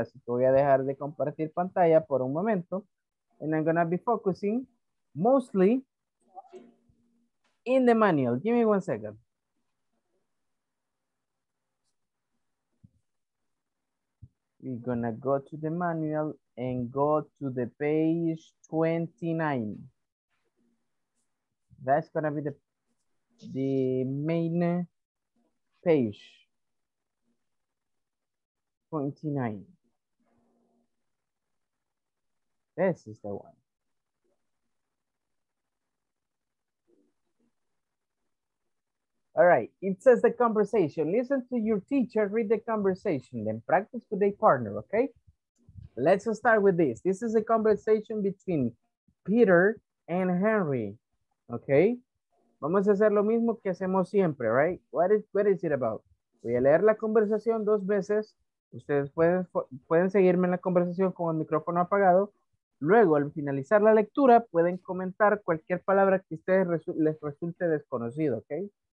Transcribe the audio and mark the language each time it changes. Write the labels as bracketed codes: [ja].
[es] Así que voy a dejar de compartir pantalla por un momento. [en] And I'm going to be focusing mostly in the manual. Give me 1 second. We're going to go to the manual and go to the page 29. That's going to be the main page. 29. This is the one. All right. It says the conversation. Listen to your teacher, read the conversation, then practice with a partner. Okay. Let's start with this. This is a conversation between Peter and Henry. Okay. [es] Vamos a hacer lo mismo que hacemos siempre, [en] right? What is it about? [es] Voy a leer la conversación dos veces. Ustedes pueden seguirme en la conversación con el micrófono apagado. Luego, al finalizar la lectura, pueden comentar cualquier palabra que a ustedes les resulte desconocido, ¿ok?